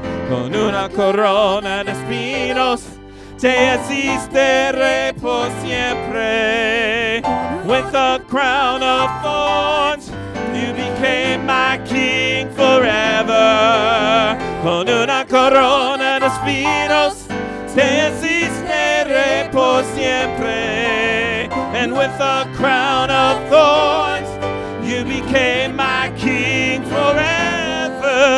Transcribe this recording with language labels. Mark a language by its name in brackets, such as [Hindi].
[Spanish] Con una corona de espinos, te hiciste rey por siempre. [English] With a crown of thorns, you became my king forever. [Spanish] Con una corona de espinos, te hiciste rey por siempre. [English] And with a crown of thorns, you became my king forever.